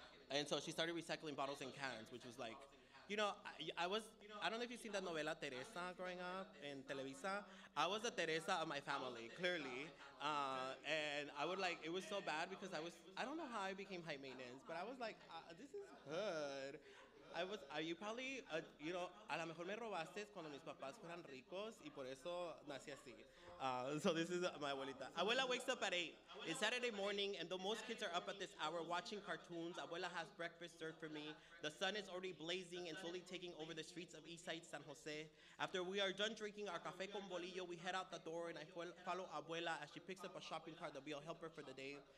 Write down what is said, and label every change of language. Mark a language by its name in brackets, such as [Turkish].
[English] And so she started recycling bottles and cans, which was like, you know, I don't know if you've seen that novela Teresa growing up in Televisa. I was the Teresa of my family, clearly. And I would like, it was so bad because I don't know how I became high maintenance, but I was like, this is good. [Spanish] A lo mejor me robaste cuando mis papás fueran ricos y por eso nací así. [English] So this is my abuelita. Abuela wakes up at 8. It's Saturday morning and though most kids are up at this hour watching cartoons, Abuela has breakfast served for me. The sun is already blazing and slowly taking over the streets of Eastside San Jose. After we are done drinking our cafe [Spanish] con bolillo, [English] we head out the door and I follow Abuela as she picks up a shopping cart that will help her for the day.